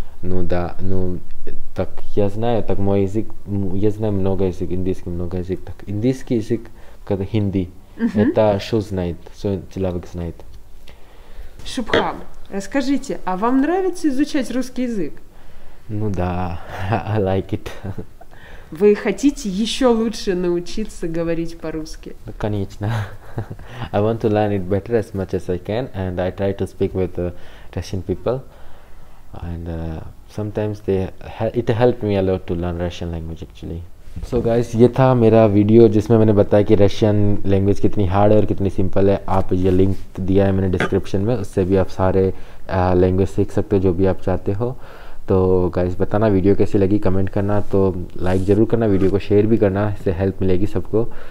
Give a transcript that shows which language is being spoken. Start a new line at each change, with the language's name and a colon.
Russian: Ну да, ну так я знаю, так мой язык, я знаю много языков, индийский много языков. Так индийский язык, как хинди, это что знает, что человек знает. Шубхам, расскажите, а вам нравится изучать русский язык? Ну да,
English: I like it.
Russian: Вы хотите еще лучше научиться говорить по-русски? Конечно.
English: I want to learn it better as much as I can, and I try to speak with Russian people, and sometimes it helped me a lot to learn Russian language actually. So guys,
Hindi: ये था मेरा video जिसमें मैंने बताया कि Russian language कितनी hard है और कितनी सिंपल है। आप ये लिंक दिया है मैंने डिस्क्रिप्शन में, उससे भी आप सारे लैंग्वेज सीख सकते हो जो भी आप चाहते हो। तो गाइस बताना वीडियो कैसी लगी, कमेंट करना, तो लाइक ज़रूर करना, वीडियो को शेयर भी करना, इससे हेल्प मिलेगी सबको।